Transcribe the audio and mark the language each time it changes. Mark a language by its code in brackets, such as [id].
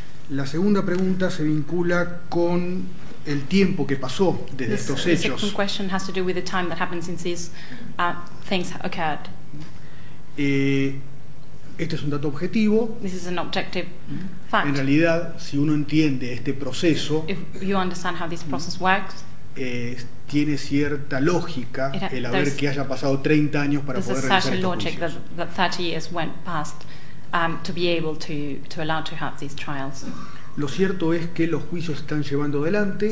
[es] La segunda pregunta se vincula con el tiempo que pasó desde [en] this, [es] estos hechos. [en] The second question has to do with the time that happened since these things occurred. [es] Este es un dato objetivo. [en] This is an objective fact. [es] En realidad, si uno entiende este proceso, [en] if you understand how this process works, [es] tiene cierta lógica el haber que haya pasado 30 años para poder realizar estos [en] logic [es] juicios. [en] That 30 years went past to be able to allow to have these trials. [es] Lo cierto es que los juicios están llevando adelante.